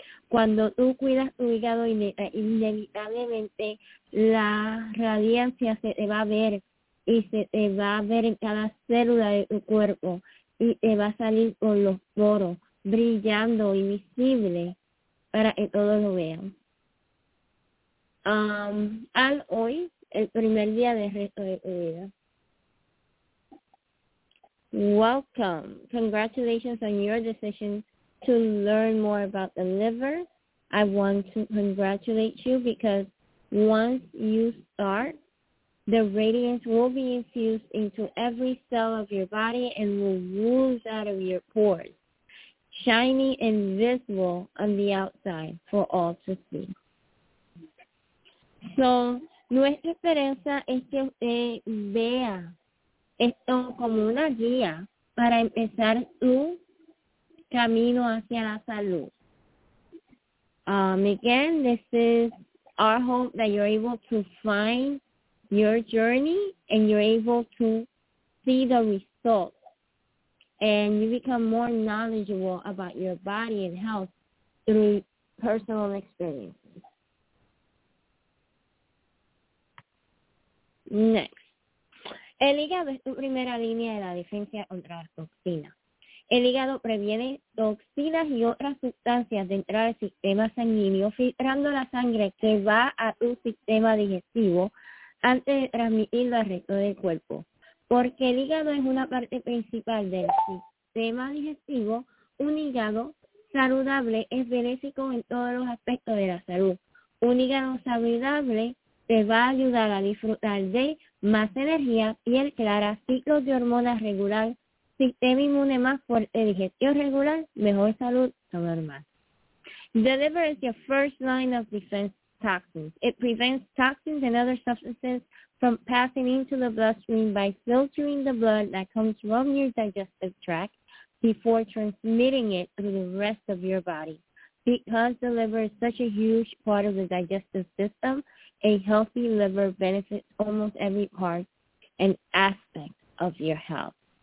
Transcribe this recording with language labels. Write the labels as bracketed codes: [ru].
[es] Cuando tú cuidas tu hígado, inevitablemente la radiancia se te va a ver y se te va a ver en cada célula de tu cuerpo y te va a salir por los poros, brillando, invisible, para que todos lo vean. Al hoy, el primer día del resto de tu vida. [en] Welcome. Congratulations on your decision to learn more about the liver. I want to congratulate you because once you start, the radiance will be infused into every cell of your body and will ooze out of your pores, shiny and visible on the outside for all to see. [es] So, nuestra esperanza es que usted vea esto como una guía para empezar su camino hacia la salud. [en] Again, this is our hope that you're able to find your journey and you're able to see the results and you become more knowledgeable about your body and health through personal experiences. Next. [es] El hígado es tu primera línea de la defensa contra las toxinas. El hígado previene toxinas y otras sustancias de entrar al sistema sanguíneo, filtrando la sangre que va a tu sistema digestivo antes de transmitirlo al resto del cuerpo. Porque el hígado es una parte principal del sistema digestivo, un hígado saludable es benéfico en todos los aspectos de la salud. Un hígado saludable te va a ayudar a disfrutar de más energía, piel clara, ciclos de hormonas regular, sistema inmune más fuerte, digestión regular, mejor salud, saber más. [en] The liver is your first line of defense toxins. It prevents toxins and other substances from passing into the bloodstream by filtering the blood that comes from your digestive tract before transmitting it through the rest of your body. Because the liver is such a huge part of the digestive system, a healthy liver benefits almost every part and aspect of your health.